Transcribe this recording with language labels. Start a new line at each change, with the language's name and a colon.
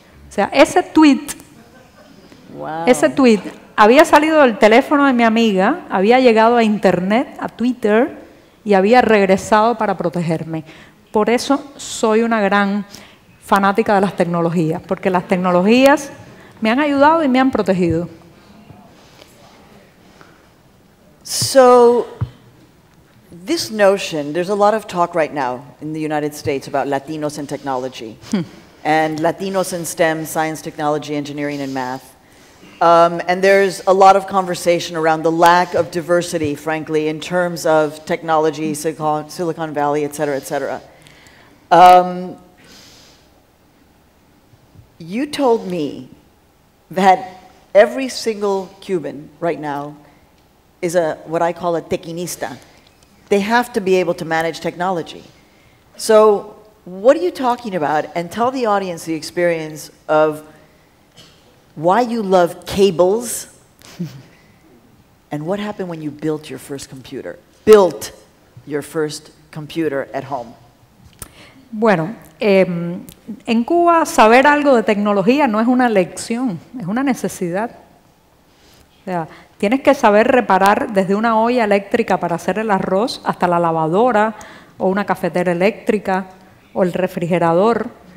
Spanish: O sea, ese tweet, ese tweet había salido del teléfono de mi amiga, había llegado a internet, a Twitter, y había regresado para protegerme. Por eso soy una gran fanática de las tecnologías, porque las tecnologías me han ayudado y me han protegido.
English: So, this notion, there's a lot of talk right now in the United States about Latinos and technology, and Latinos in STEM, science, technology, engineering, and math. And there's a lot of conversation around the lack of diversity, frankly, in terms of technology, Silicon Valley, et cetera, et cetera. You told me that every single Cuban right now is a what I call a tequinista. They have to be able to manage technology. So what are you talking about? And tell the audience the experience of why you love cables and what happened when you built your first computer. Built your first computer at home.
Spanish: Bueno, en Cuba saber algo de tecnología no es una elección, es una necesidad. O sea, tienes que saber reparar desde una olla eléctrica para hacer el arroz hasta la lavadora o una cafetera eléctrica o el refrigerador.